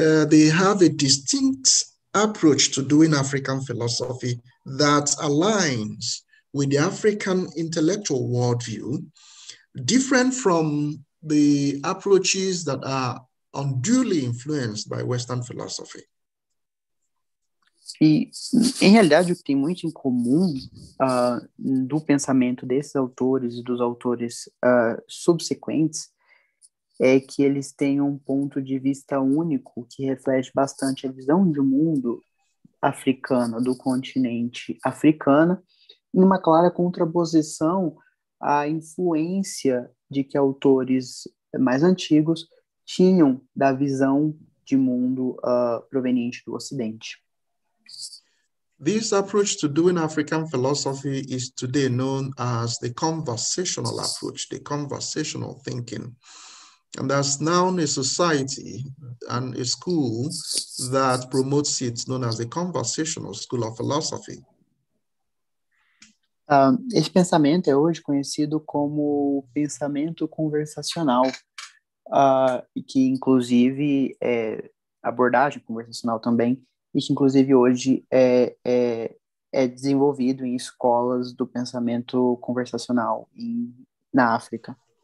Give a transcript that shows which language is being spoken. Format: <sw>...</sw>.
<en>they have a distinct approach to doing African philosophy that aligns with the African intellectual worldview, different from the approaches that are unduly influenced by Western philosophy.</en> <pt>E, em realidade, o que tem muito em comum do pensamento desses autores e dos autores subsequentes é que eles têm um ponto de vista único que reflete bastante a visão de mundo africano, do continente africano, em uma clara contraposição à influência de que autores mais antigos tinham da visão de mundo proveniente do Ocidente.</pt> <en>This approach to doing African philosophy is today known as the conversational approach, the conversational thinking. And that's now a society and a school that promotes it, known as the conversational school of philosophy.</en> <pt>Esse pensamento é hoje conhecido como pensamento conversacional, que inclusive é abordagem conversacional também, e que inclusive hoje é desenvolvido em escolas do pensamento conversacional na África.</pt>